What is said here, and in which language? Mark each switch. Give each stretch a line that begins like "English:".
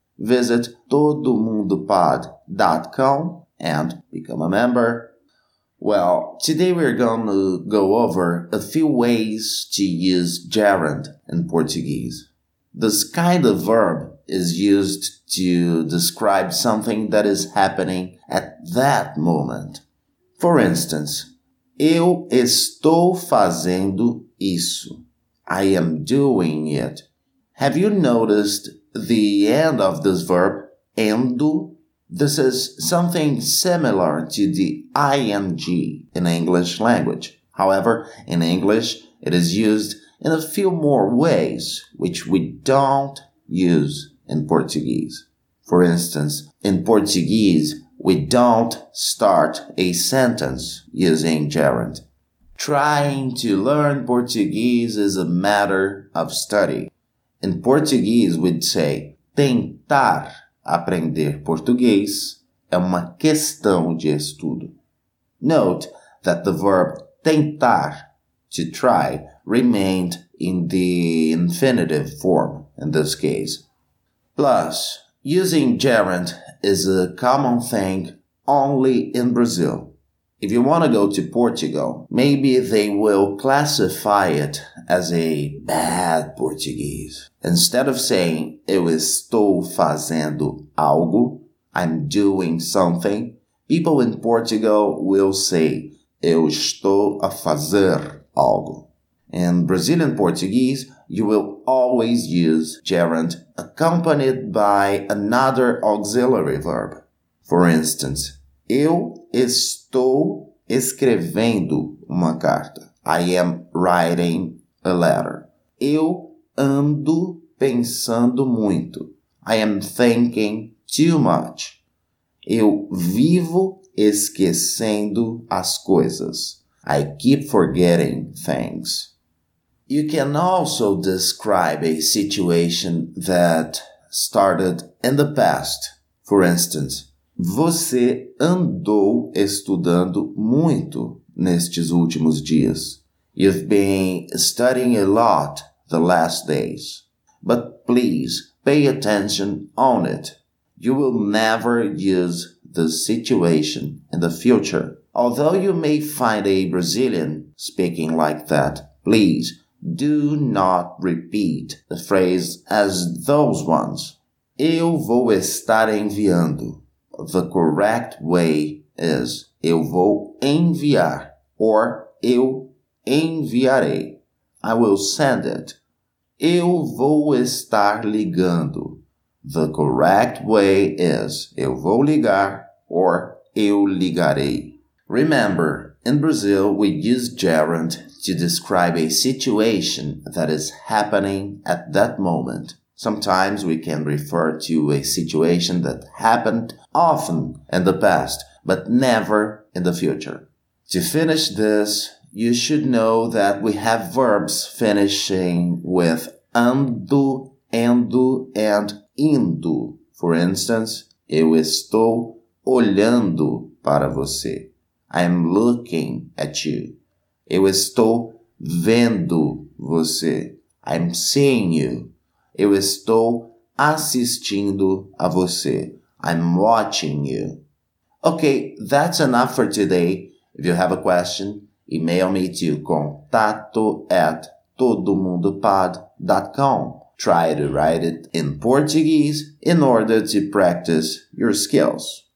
English: Visit todomundopod.com and become a member. Well, today we're going to go over a few ways to use gerund in Portuguese. This kind of verb is used to describe something that is happening at that moment. For instance,
Portuguese: eu estou fazendo isso.
English: I am doing it. Have you noticed the end of this verb, endo? This is something similar to the ing in English language. However, in English, it is used in a few more ways, which we don't use in Portuguese. For instance, in Portuguese, we don't start a sentence using gerund. Trying to learn Portuguese is a matter of study. In Portuguese, we'd say tentar.
Portuguese: Aprender português é uma questão de estudo.
English: Note that the verb tentar, to try, remained in the infinitive form in this case. Plus, using gerund is a common thing only in Brazil. If you want to go to Portugal, maybe they will classify it as a bad Portuguese. Instead of saying,
Portuguese: eu estou fazendo algo,
English: I'm doing something, people in Portugal will say,
Portuguese: eu estou a fazer algo.
English: In Brazilian Portuguese, you will always use gerund accompanied by another auxiliary verb.
Portuguese: For instance, eu estou escrevendo uma carta.
English: I am writing a letter.
Portuguese: Eu ando pensando muito.
English: I am thinking too much.
Portuguese: Eu vivo esquecendo as coisas.
English: I keep forgetting things. You can also describe a situation that started in the past.
Portuguese: For instance, você andou estudando muito nestes últimos dias.
English: You've been studying a lot the last days. But please pay attention on it. You will never use the situation in the future. Although you may find a Brazilian speaking like that, please do not repeat the phrase as those ones.
Portuguese: Eu vou estar enviando.
English: The correct way is
Portuguese: eu vou enviar
English: or
Portuguese: eu enviarei.
English: I will send it.
Portuguese: Eu vou estar ligando.
English: The correct way is
Portuguese: eu vou ligar
English: or
Portuguese: eu ligarei.
English: Remember, in Brazil, we use gerund to describe a situation that is happening at that moment. Sometimes we can refer to a situation that happened often in the past, but never in the future. To finish this, you should know that we have verbs finishing with ando, endo, and indo.
Portuguese: For instance, eu estou olhando para você.
English: I am looking at you.
Portuguese: Eu estou vendo você.
English: I'm seeing you.
Portuguese: Eu estou assistindo a você.
English: I'm watching you. Okay, that's enough for today. If you have a question, email me to contato@todomundopod.com. Try to write it in Portuguese in order to practice your skills.